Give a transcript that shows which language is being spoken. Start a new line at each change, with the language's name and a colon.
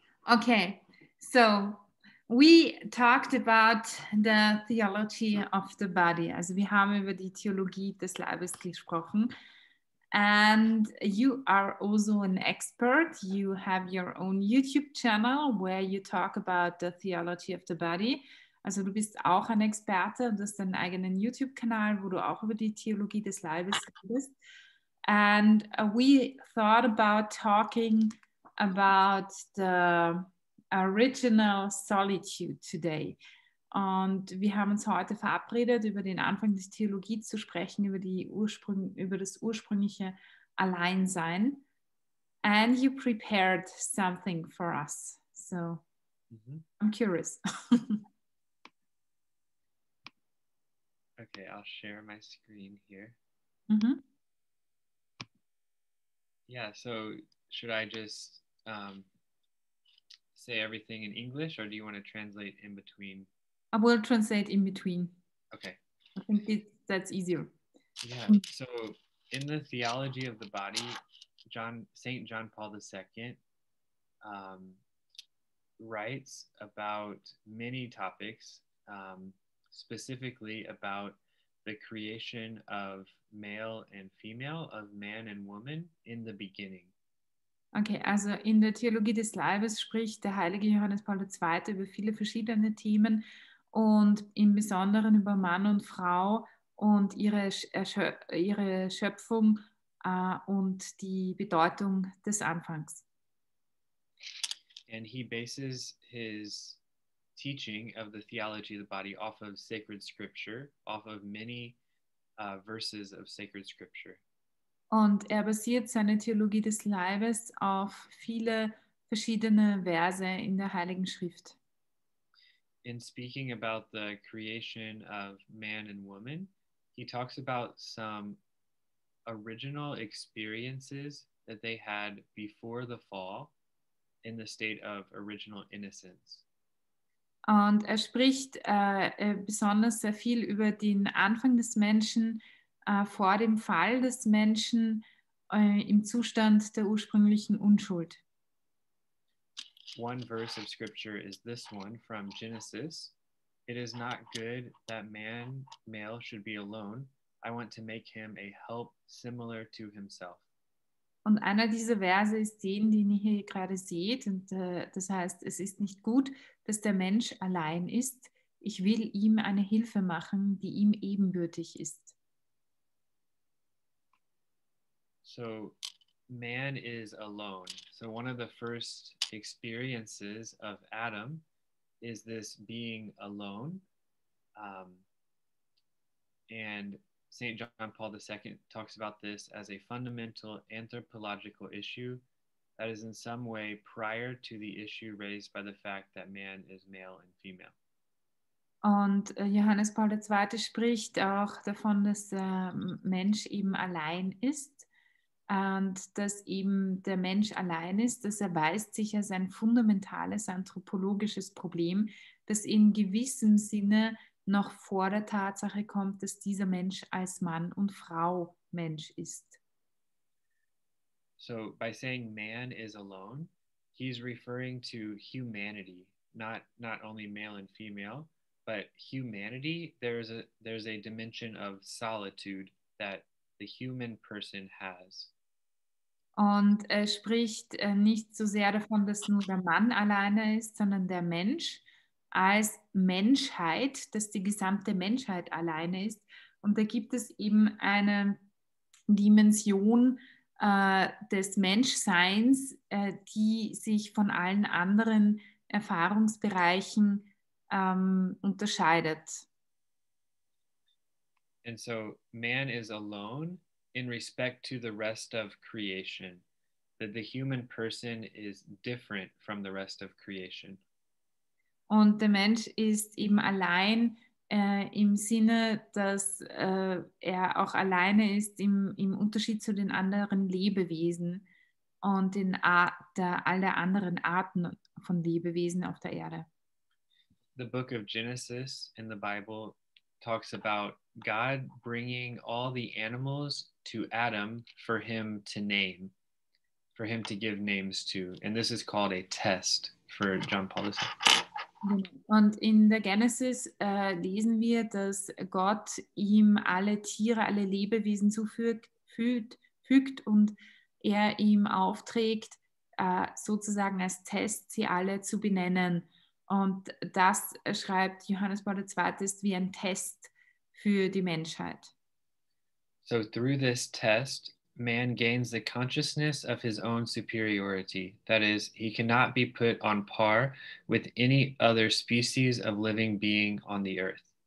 English: Okay, so we talked about the theology of the body.
German: Also wir haben über die Theologie des Leibes gesprochen.
English: And you are also an expert. You have your own YouTube channel where you talk about the theology of the body.
German: Also du bist auch ein Experte und hast deinen eigenen YouTube-Kanal, wo du auch über die Theologie des Leibes redest.
English: And we thought about talking about the original solitude today.
German: Und wir haben uns heute verabredet, über den Anfang der Theologie zu sprechen, über das ursprüngliche Alleinsein.
English: And you prepared something for us. So, mm-hmm. I'm curious. Okay, I'll share my screen here. Mm-hmm. Yeah, so should I just say everything in English, or do you want to translate in between? I will translate in between. Okay. I think that's easier. Yeah. So in the theology of the body, St. John Paul II writes about many topics, specifically about the creation of male and female, of man and woman in the beginning.
German: Okay, also in der Theologie des Leibes spricht der heilige Johannes Paul II. Über viele verschiedene Themen. Und im Besonderen über Mann und Frau und ihre Schöpfung und die Bedeutung des Anfangs.
English: And he bases his teaching of the theology of the body off of sacred scripture, off of many verses of sacred scripture.
German: Und er basiert seine Theologie des Leibes auf viele verschiedene Verse in der Heiligen Schrift.
English: In speaking about the creation of man and woman, he talks about some original experiences that they had before the fall in the state of original innocence.
German: Und er spricht besonders sehr viel über den Anfang des Menschen, vor dem Fall des Menschen, im Zustand der ursprünglichen Unschuld.
English: One verse of scripture is this one from Genesis. It is not good that man, male, should be alone. I want to make him a help similar to himself.
German: Und einer dieser Verse ist den, den ihr hier gerade seht. Und das heißt, es ist nicht gut, dass der Mensch allein ist. Ich will ihm eine Hilfe machen, die ihm ebenbürtig ist.
English: So, man is alone. So one of the first experiences of Adam is this being alone. And St. John Paul II talks about this as a fundamental anthropological issue that is in some way prior to the issue raised by the fact that man is male and female.
German: Und Johannes Paul II. Spricht auch davon, dass der Mensch eben allein ist und dass eben der Mensch allein ist, das erweist sich als ein fundamentales anthropologisches Problem, das in gewissem Sinne noch vor der Tatsache kommt, dass dieser Mensch als Mann und Frau Mensch ist.
English: So by saying man is alone, he's referring to humanity, not only male and female, but humanity. There's a dimension of solitude that the human person has.
German: Und er spricht nicht so sehr davon, dass nur der Mann alleine ist, sondern der Mensch als Menschheit, dass die gesamte Menschheit alleine ist. Und da gibt es eben eine Dimension des Menschseins, die sich von allen anderen Erfahrungsbereichen unterscheidet.
English: And so man is alone in respect to the rest of creation, that the human person is different from the rest of creation.
German: Und der Mensch ist eben allein im Sinne, dass er auch alleine ist im Unterschied zu den anderen Lebewesen und in all der anderen Arten von Lebewesen auf der Erde.
English: The book of Genesis in the Bible talks about God bringing all the animals to Adam for him to name, for him to give names to. And this is called a test for John Paul II.
German: Und in der Genesis lesen wir, dass Gott ihm alle Tiere, alle Lebewesen zufügt und er ihm aufträgt, sozusagen als Test, sie alle zu benennen. Und das, schreibt Johannes Paul II., ist wie ein Test für die Menschheit.
English: So through this test, man gains the consciousness of his own superiority. That is, he cannot be put on par with any other species of living being on the earth.